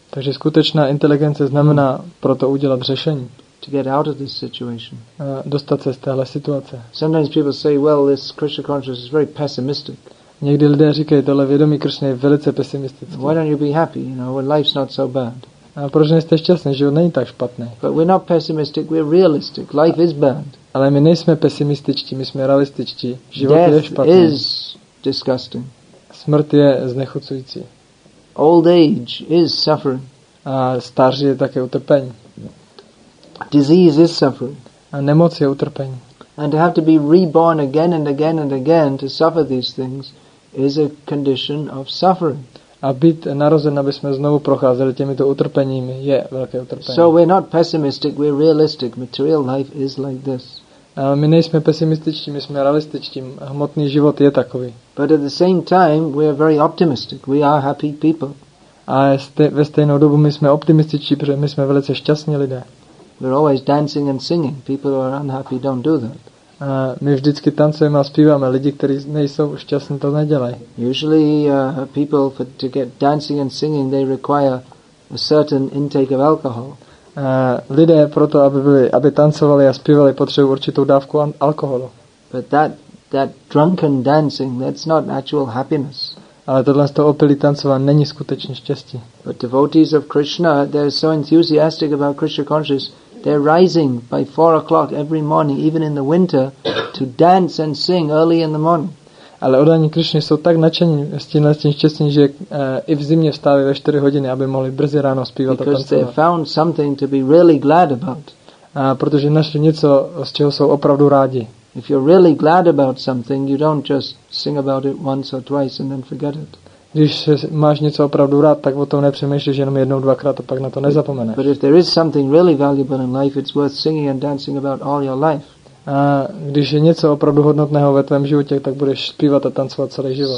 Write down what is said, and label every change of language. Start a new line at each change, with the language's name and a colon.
Czech: Takže skutečná inteligence znamená proto udělat řešení.
English: To get out of this situation.
Czech: Dostat se z téhle situace.
English: Sometimes people say, well, this Krishna consciousness is very pessimistic.
Czech: Někdy lidé říkají, tohle vědomí Krishna je velice pesimistické.
English: Why don't you be happy, you know, when life's not so bad?
Czech: A proč nejste šťastný? Život není tak špatný.
English: But we're not pessimistic, we're realistic. Life is bad.
Czech: Ale my nejsme pesimističtí, my jsme realističtí. Život je špatný.
English: Death is disgusting.
Czech: Smrt je znechucující.
English: Old age is suffering.
Czech: A stáří je také utrpení.
English: Disease is suffering.
Czech: A nemoc je utrpení.
English: And to have to be reborn again and again and again to suffer these things is a condition of suffering.
Czech: A být narozen, aby jsme znovu procházeli těmito utrpeními, je velké utrpení.
English: So we're not pessimistic, we're realistic. Material life is like this.
Czech: My nejsme pesimističtí, my jsme realističtí. Hmotný život je takový.
English: But at the same time, we are very optimistic. We are happy people.
Czech: A ve stejnou dobu my jsme optimističtí, protože my jsme velice šťastní lidé.
English: We're always dancing and singing. People who are unhappy don't do that.
Czech: My vždycky tancujeme a zpíváme. Lidi, kteří nejsou šťastní, to nedělají.
English: Usually people for to get dancing and singing, they require a certain intake of alcohol.
Czech: Lidé proto, aby tancovali a zpívali, potřebují určitou dávku alkoholu.
English: But that drunken dancing, that's not actual happiness.
Czech: Ale tohle z toho opilý tancování není skutečně štěstí.
English: But devotees of Krishna, they're so enthusiastic about Krishna consciousness. They're rising by 4 o'clock every morning, even in the winter, to dance and sing early in the morning.
Czech: Ale oddaní Krišně jsou tak nadšení s tímhle tím štěstím, že i v zimě vstávají ve 4 hodiny, aby mohli brzy ráno zpívat a tancovat.
English: Because they found something to be really glad about.
Czech: Protože našli něco, z čeho jsou opravdu rádi.
English: If you're really glad about something, you don't just sing about it once or twice and then forget it.
Czech: Když máš něco opravdu rád, tak o tom nepřemýšlíš jenom jednou, dvakrát a pak na to nezapomeneš.
English: But if there is something really valuable in life, it's worth singing and dancing about all your life.
Czech: A když je něco opravdu hodnotného ve tvém životě, tak budeš zpívat a tancovat celý život.